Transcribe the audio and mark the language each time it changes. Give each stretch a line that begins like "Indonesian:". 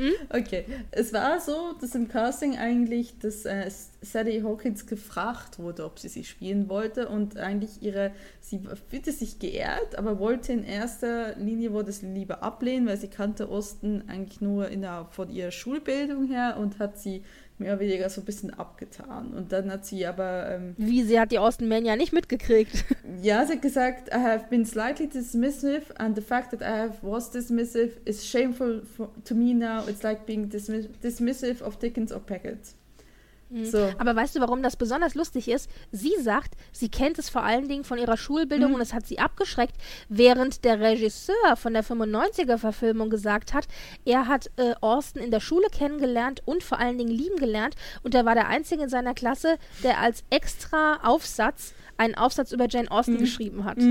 German: Okay, es war so, dass im Casting eigentlich, dass Sally Hawkins gefragt wurde, ob sie spielen wollte und eigentlich sie fühlte sich geehrt, aber wollte in erster Linie wurde es lieber ablehnen, weil sie kannte Austen eigentlich nur von ihrer Schulbildung her und hat sie mehr oder weniger so ein bisschen abgetan. Und dann hat sie aber... sie hat die Austen Mania nicht mitgekriegt. Ja, sie hat gesagt,
English: I have been slightly dismissive and the fact that I have was dismissive is shameful to me now. It's like being dismissive of Dickens or Packet. So.
German: Aber weißt du, warum das besonders lustig ist? Sie sagt, sie kennt es vor allen Dingen von ihrer Schulbildung und es hat sie abgeschreckt, während der Regisseur von der 95er-Verfilmung gesagt hat, er hat Austen in der Schule kennengelernt und vor allen Dingen lieben gelernt und er war der Einzige in seiner Klasse, der als extra Aufsatz einen Aufsatz über Jane Austen geschrieben hat.